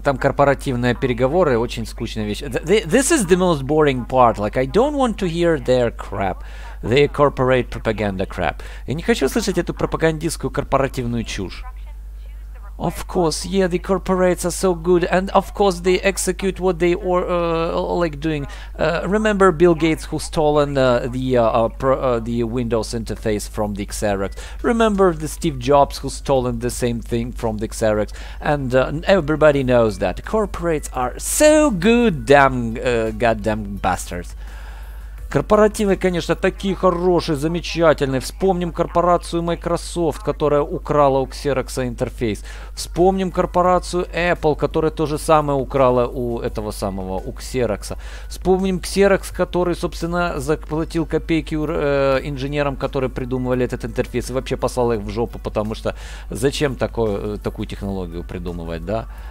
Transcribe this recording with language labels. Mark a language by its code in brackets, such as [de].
[ru] Там корпоративные переговоры, очень скучная вещь. [en] This is the most boring part. Like, I don't want to hear their crap. The corporate propaganda crap. [ru] Я не хочу слышать эту пропагандистскую корпоративную чушь. [en] Of course, yeah, the corporates are so good, and of course they execute what they are like doing. Remember Bill Gates who stolen the Windows interface from the Xerox? Remember the Steve Jobs who stolen the same thing from the Xerox? And everybody knows that corporates are so good, goddamn bastards. [ru] Корпоративы, конечно, такие хорошие, замечательные. Вспомним корпорацию Microsoft, которая украла у Xerox интерфейс. Вспомним корпорацию Apple, которая то же самое украла у этого самого, у Xerox. Вспомним Xerox, который, собственно, заплатил копейки инженерам, которые придумывали этот интерфейс, и вообще послал их в жопу, потому что зачем такую технологию придумывать, да?